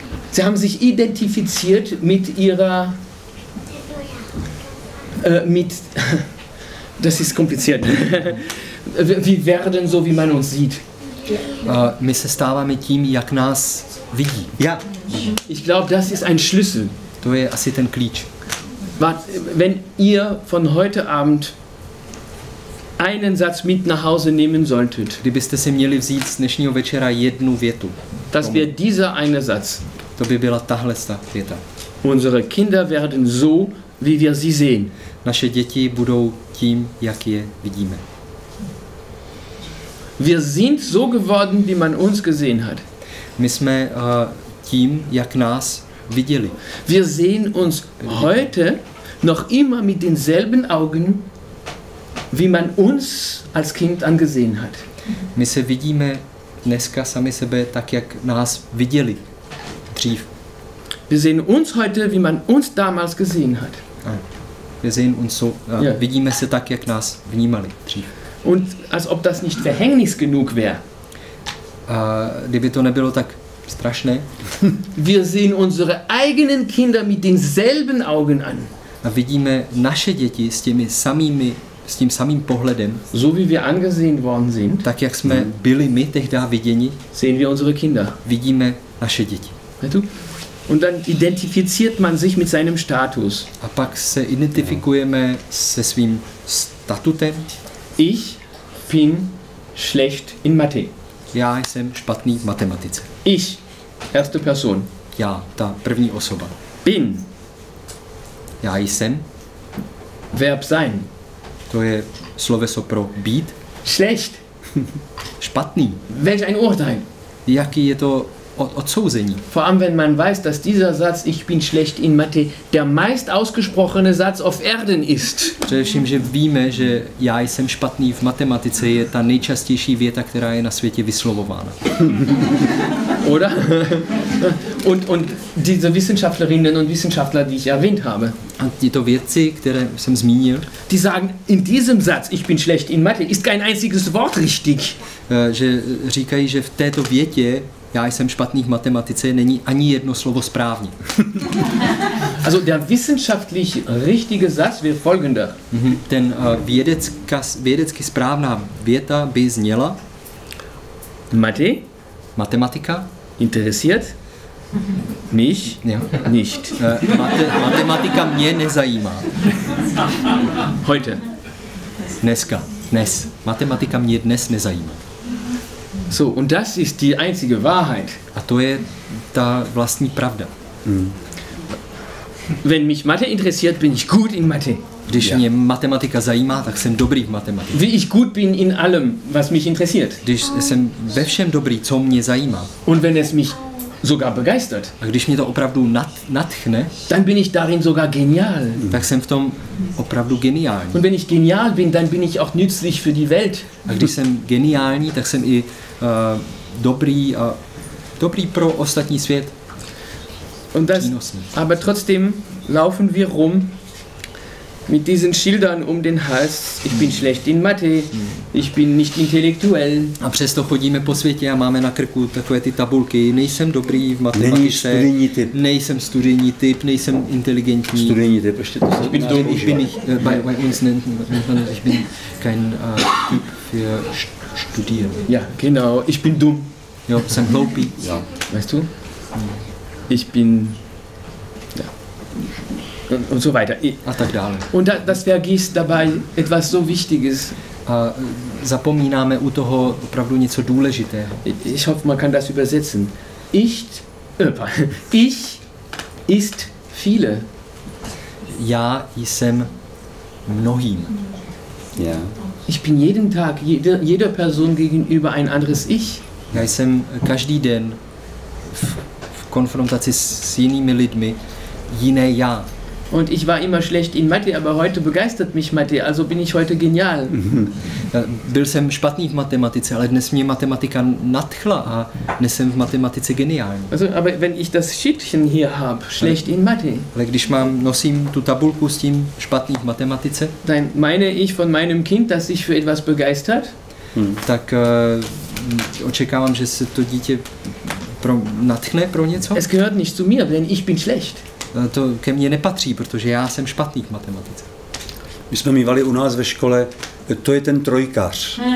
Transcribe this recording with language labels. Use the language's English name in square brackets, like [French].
[German] Sie haben sich identifiziert mit ihrer, mit, das ist kompliziert, wir werden so, wie man uns sieht. [Czech] My se stáváme tím, jak nás vidí. [German] Ja. Ich glaube, das ist ein Schlüssel. [Czech] To je asi ten klíč. [German] Wenn ihr von heute Abend einen Satz mit nach Hause nehmen solltet. [Czech] Kdybyste si měli vzít z dnešního večera jednu větu. [German] Das wäre dieser eine Satz. [Czech] To by byla tahle věta. [German] Unsere Kinder werden so, wie wir sie sehen. [Czech] Naše děti budou tím, jak je vidíme. [German] Wir sind so geworden, wie man uns gesehen hat. [Czech] My jsme tím, jak nás viděli. [German] Wir sehen uns heute noch immer mit denselben Augen, wie man uns als Kind angesehen hat. [Czech] My se vidíme dneska sami sebe tak, jak nás viděli dřív. [German] Wir sehen uns heute, wie man uns damals gesehen hat. Wir sehen uns so, [Czech] vidíme se tak, jak nás vnímali dřív. [German] Und als ob das nicht verhängnis genug wäre. [Czech] Kdyby to nebylo tak strašné. [German] Wir sehen unsere eigenen Kinder mit denselben Augen an. [Czech] A vidíme naše děti s těmi samými s tím samým pohledem, [German] so wie wir angesehen worden sind, [Czech] tak jak jsme byli my tehdy viděni, [German] sehen wir unsere Kinder. [Czech] Vidíme naše děti. [German] Und dann identifiziert man sich mit seinem Status. [Czech] A pak se identifikujeme se svým statutem. [German] Ich bin schlecht in Mathe. [Czech] Já jsem špatný v matematice. [German] Ich, erste Person. [Czech] Já, ta první osoba. [German] Bin. [Czech] Já jsem. [German] Verb sein. [Czech] To je sloveso pro být. [German] Schlecht. [Czech] Špatný. [German] Welch ein Urteil. [Czech] Jaký je to odsouzení. [German] Vor allem wenn man weiß, dass dieser Satz ich bin schlecht in Mathe der meist ausgesprochene Satz auf Erden ist. [Czech] Především, že víme, že já jsem špatný v matematice, je ta nejčastější věta, která je na světě vyslovována. [German] Oder? Und diese Wissenschaftlerinnen und Wissenschaftler, die ich erwähnt habe. [Czech] Und tyto vědci, které jsem zmínil. [German] Die sagen, in diesem Satz, ich bin schlecht in Mathe, ist kein einziges Wort richtig. [Czech] Že říkají, že v této větě, já jsem špatný v matematice, není ani jedno slovo správně. [German] Also der wissenschaftlich richtige Satz wäre folgender. [Czech] Ten vědecky správná věta by zněla. [German] Mathe? [Czech] Matematika? [German] Interessiert? Mich? Ja. Nicht. [Czech] Matematika mě nezajímá. [German] Heute. [Czech] Dneska. Dnes. Matematika mě dnes nezajímá. [German] So, und das ist die einzige Wahrheit. [Czech] A to je ta vlastní pravda. [German] Wenn mich Mathe interessiert, bin ich gut in Mathe. [Czech] Když mě matematika zajímá, tak jsem dobrý v matematice. [German] Wie ich gut bin in allem, was mich interessiert. [Czech] Když jsem ve všem dobrý, co mě zajímá. [German] Und wenn es mich sogar begeistert. [Czech] A když mě to opravdu nadchne, [German] dann bin ich darin sogar genial. [Czech] Tak jsem v tom opravdu geniální. [German] Und wenn ich genial bin, dann bin ich auch nützlich für die Welt. [Czech] A když jsem geniální, tak jsem i dobrý pro ostatní svět. [German] Und das, aber trotzdem laufen wir rum mit diesen Schildern um den Hals. Ich bin schlecht in Mathe. Ich bin nicht intellektuell. [Czech] A přesto chodíme po světě a máme na krku takové ty tabulky. Nejsem dobrý v matematice. Nejsem studijní typ, nejsem inteligentní. Studijní typ, ještě to [German] ich bin dumm. Ich bin kein Typ für studieren. Ja, genau. Ich bin dumm. [Czech] Ja, jsem hloupý. [German] Ja. Weißt du? Ich bin und so weiter. [Czech] A tak dále. [German] Und das vergisst dabei etwas so Wichtiges. [Czech] A zapomínáme u toho opravdu něco důležitého. [German] Ich hoffe, man kann das übersetzen. Ich ist viele. [Czech] Já jsem mnohým. [German] Ja. Ich bin jeden Tag jeder Person gegenüber ein anderes Ich. [Czech] Já jsem každý den v konfrontaci s jinými lidmi jiné já. [German] Und ich war immer schlecht in Mathe, aber heute begeistert mich Mathe, also bin ich heute genial. [Czech] Byl jsem špatný v matematice, ale dnes mě matematika nadchla a dnes jsem v matematice geniální. [German] Also, aber wenn ich das Schildchen hier habe, schlecht in Mathe. [Czech] Ale když nosím tu tabulku s tím špatný v matematice. [German] Dann meine ich von meinem Kind, dass sich für etwas begeistert. [Czech] Tak očekávám, že se to dítě nadchne pro něco. [German] Es gehört nicht zu mir, denn ich bin schlecht. [Czech] To ke mně nepatří, protože já jsem špatný v matematice. My jsme mývali u nás ve škole, to je ten trojkař.